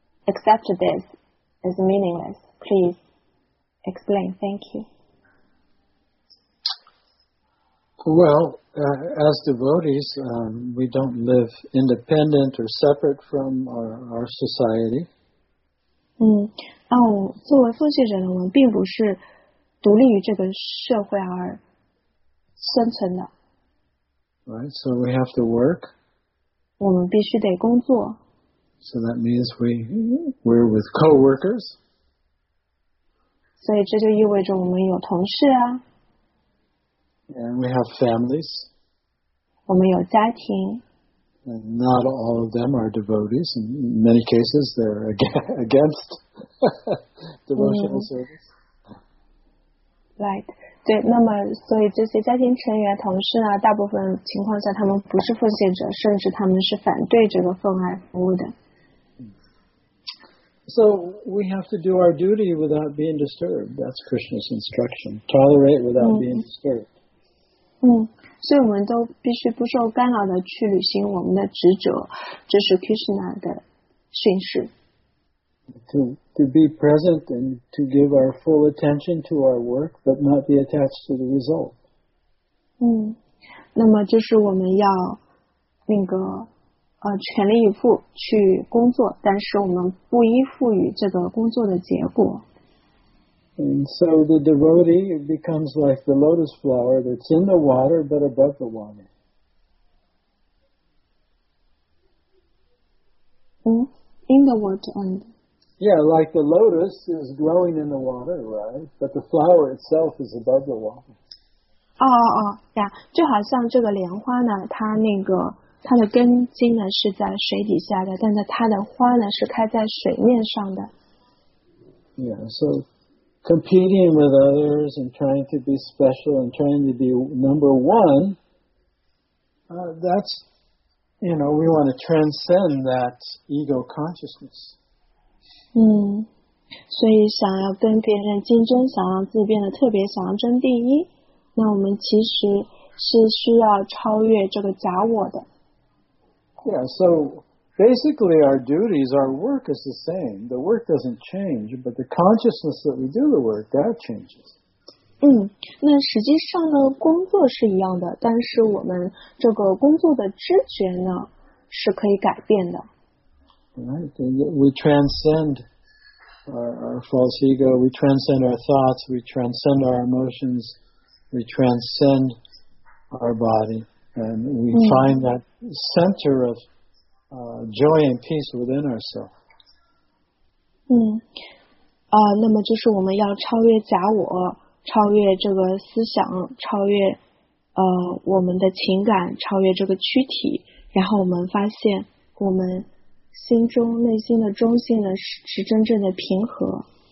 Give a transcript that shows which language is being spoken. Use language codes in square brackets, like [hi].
[en] Except this is meaningless. Please explain. Thank you. Well, as devotees, we don't live independent or separate from our society. [zh] 作为奉献者呢，我们并不是独立于这个社会而生存的。 [en] Right, so we have to work. [zh] 我们必须得工作。 [en] So that means we're with co-workers. [zh] 所以这就意味着我们有同事啊。 [en] And we have families. [zh] 我们有家庭。 [en] And not all of them are devotees. In many cases, they're against devotional service. Right. [zh] 对，那么所以这些家庭成员、同事呢，大部分情况下他们不是奉献者，甚至他们是反对这个奉爱服务的。 [en] So we have to do our duty without being disturbed. That's Krishna's instruction. Tolerate without being disturbed. [zh] 所以我们都必须不受干扰的去履行我们的职责，这是 Krishna 的训示。 [en] To be present and to give our full attention to our work, but not be attached to the result. [zh] 那么就是我们要那个全力以赴去工作，但是我们不依附于这个工作的结果。 [en] And so the devotee becomes like the lotus flower that's in the water but above the water. 嗯 ，in the water and. Yeah, like the lotus is growing in the water, right? But the flower itself is above the water. Yeah. [zh] 就好像这个莲花呢，它那个它的根茎呢是在水底下的，但是它的花呢是开在水面上的。 Yeah. [en] So competing with others and trying to be special and trying to be number one, that's, you know, we want to transcend that ego consciousness. [zh] 所以想要跟别人竞争，想要自己变得特别，想要争第一，那我们其实是需要超越这个假我的。 [en] Yeah, so basically our duties, our work is the same. The work doesn't change, but the consciousness that we do the work, that changes. [zh] 那实际上呢，工作是一样的，但是我们这个工作的知觉呢，是可以改变的。 [en] Right, we transcend our false ego, we transcend our thoughts, we transcend our emotions, we transcend our body, and we find that center of joy and peace within ourselves. [zh] 那么就是我们要超越假我，超越这个思想，超越我们的情感，超越这个躯体，然后我们发现我们心中内心的中心呢是真正的平和。